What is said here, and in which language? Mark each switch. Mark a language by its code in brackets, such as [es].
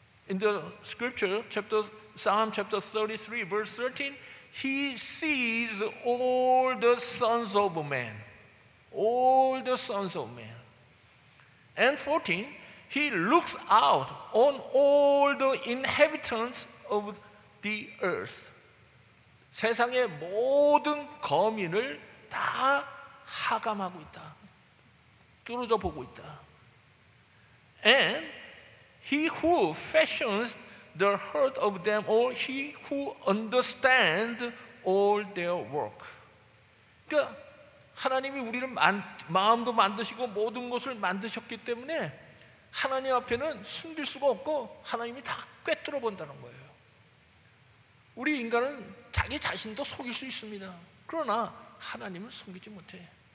[en] In the scripture, Psalm chapter 33, verse 13, He sees all the sons of man. All the sons of man. And 14, He looks out on all the inhabitants of the earth. [ko] 세상의 모든 거민을 다 하감하고 있다. 뚫어져 보고 있다. [en] And He who fashions the heart of them all, He who understands all their work. [ko] 그러니까 하나님이 우리를 마음도 만드시고 모든 것을 만드셨기 때문에 하나님 앞에는 숨길 수가 없고 하나님이 다 꿰뚫어 본다는 거예요. 우리 인간은 자기 자신도 속일 수 있습니다. 그러나 하나님은 속이지 못해.